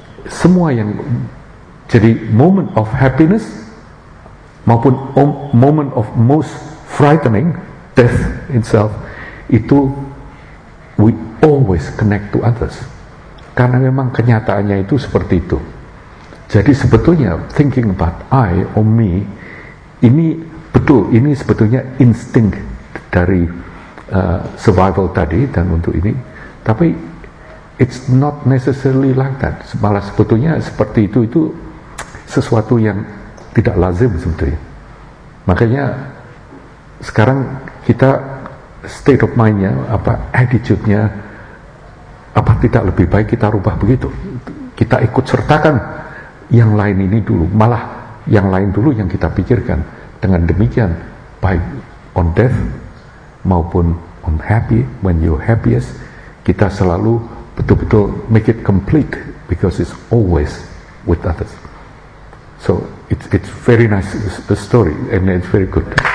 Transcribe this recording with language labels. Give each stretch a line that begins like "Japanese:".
Indonesian: Semua yang jadi
English: moment of happiness
Indonesian: maupun
English: moment of most frightening, death itself,
Indonesian: itu
English: we always connect to others.
Indonesian: Karena memang kenyataannya itu seperti itu. Jadi sebetulnya
English: thinking about I or me,
Indonesian: ini betul, ini sebetulnya insting dari survival tadi dan untuk ini. Tapi
English: it's not necessarily like that.
Indonesian: Malah sebetulnya seperti itu sesuatu yang tidak lazim sebetulnya. Makanya sekarang kita state of mind-nya, apa attitude-nya, apa tidak lebih baik kita rubah begitu. Kita ikut sertakan yang lain ini dulu, malah yang lain dulu yang kita pikirkan. Dengan demikian, baik
English: on death
Indonesian: maupun
English: on happy, when you happiest,
Indonesian: kita selalu betul-betul
English: make it complete because it's always with others. So it's very nice a story and it's very good.